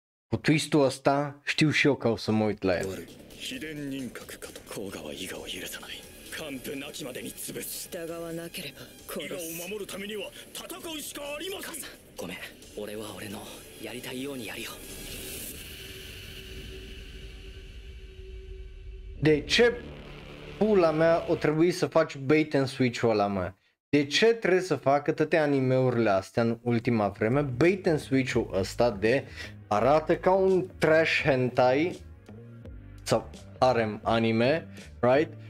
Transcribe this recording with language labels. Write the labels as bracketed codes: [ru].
[ro] Cu twist-ul ăsta, știu și eu că o să mă uit la el. [ja] 秘伝人格かと甲賀は伊賀を許さない。完膚なきまでに潰す。従わなければ殺す。伊賀を守るためには戦うしかありません。ごめん、俺は俺のやりたいようにやるよ。 [ro] De ce pula mea o trebuie să faci [en] bait and switch- [ro] ul ăla, mă? De ce trebuie să facă toate anime-urile astea în ultima vreme [en] bait and switch- [ro] ul ăsta de arată ca un trash hentai sau harem anime, [en] right?